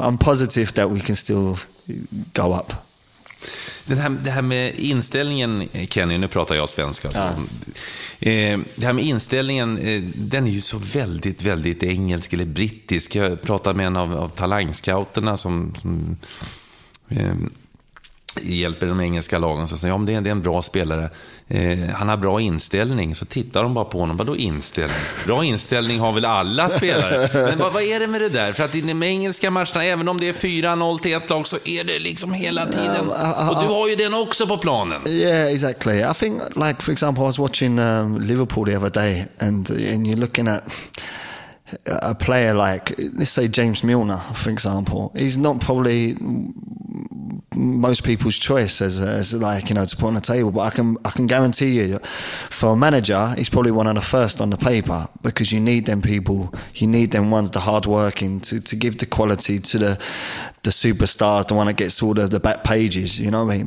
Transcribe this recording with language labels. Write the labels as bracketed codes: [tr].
[en] I'm positive that we can still go up. [sv] Det här med inställningen, Kenny, nu pratar jag svenska. Ja. Det här med inställningen, den är ju så väldigt, väldigt engelsk eller brittisk. Jag pratade med en av talangscouterna som hjälper de engelska lagen, så säger, ja, men det är en bra spelare, han har bra inställning. Så tittar de bara på honom, vadå inställning? Bra inställning har väl alla spelare. Men vad är det med det där? För att i de engelska matcherna, även om det är 4-0 till ett lag, så är det liksom hela tiden. Och du har ju den också på planen. [en] Yeah, exactly. I think, like, for example, I was watching Liverpool the other day, and you're looking at a player like, let's say, James Milner, for example. He's not probably most people's choice as like, you know, to put on the table, but I can guarantee you, for a manager, he's probably one of the first on the paper, because you need them people, you need them ones, the hard working, to give the quality to the superstars, the one that gets all the back pages, you know what I mean?